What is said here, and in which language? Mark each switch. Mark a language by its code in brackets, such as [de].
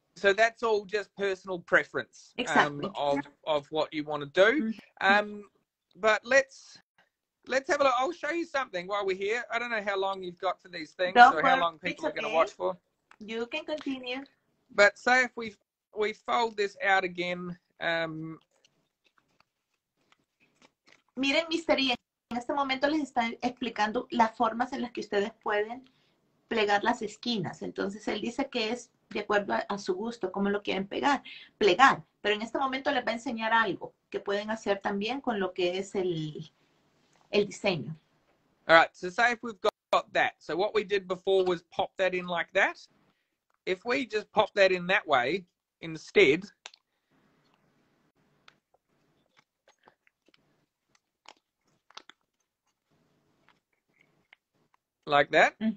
[en] So that's all just personal preference, of what you want to do. But let's have a look. I'll show you something while we're here. I don't know how long you've got for these things, how long people are going to watch for. You can continue. But say if we fold this out again. [es] Miren, Mr. E, en este momento les está explicando las formas en las que ustedes pueden plegar las esquinas. Entonces él dice que es de acuerdo a su gusto, cómo lo quieren plegar. Pero en este momento les va a enseñar algo que pueden hacer también con lo que es el diseño. [en] All right, so say if we've got that. So what we did before was pop that in like that. If we just pop that in that way instead, like that.